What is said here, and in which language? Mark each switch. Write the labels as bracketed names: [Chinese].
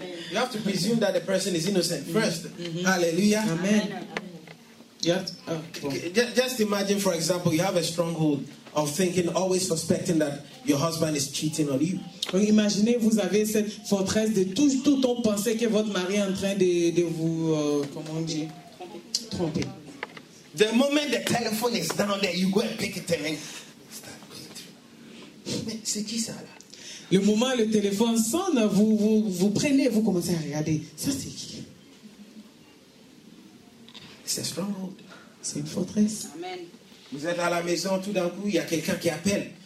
[English] You have to presume that the person is innocent first. Mm-hmm. Hallelujah. Amen. Amen. Just imagine, for example, you have a stronghold of thinking, always suspecting that your husband is cheating on you. [French] Imaginez, vous avez cette forteresse de tout temps penser que votre mari est en train de vous, comment dire, tromper. [English] The moment the telephone is down there, you go and pick it and start going through. [French] C'est qui ça là? Le moment où le téléphone sonne, vous prenez, vous commencez à regarder. Ça, c'est qui? C'est stronghold. C'est une forteresse. Amen. Vous êtes à la maison, tout d'un coup, il y a quelqu'un qui appelle.